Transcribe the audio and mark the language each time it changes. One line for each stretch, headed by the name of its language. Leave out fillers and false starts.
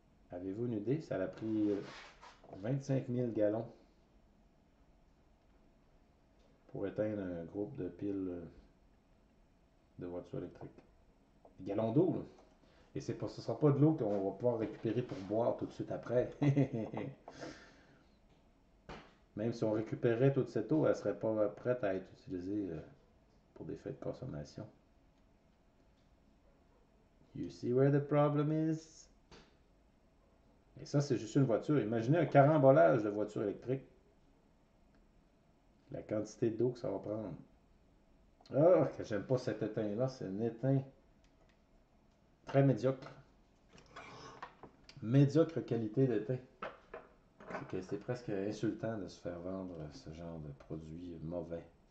French: Avez-vous une idée? Ça a pris 25 000 gallons pour éteindre un groupe de piles de voitures électriques. Des gallons d'eau, là. Et ce ne sera pas de l'eau qu'on va pouvoir récupérer pour boire tout de suite après. Même si on récupérait toute cette eau, elle ne serait pas prête à être utilisée pour des fins de consommation.
English: You see where the problem is?
French: Et ça, c'est juste une voiture. Imaginez un carambolage de voitures électriques. La quantité d'eau que ça va prendre. Oh, que j'aime pas cet étain-là. C'est un étain très médiocre. Médiocre qualité d'étain. C'est que c'est presque insultant de se faire vendre ce genre de produit mauvais.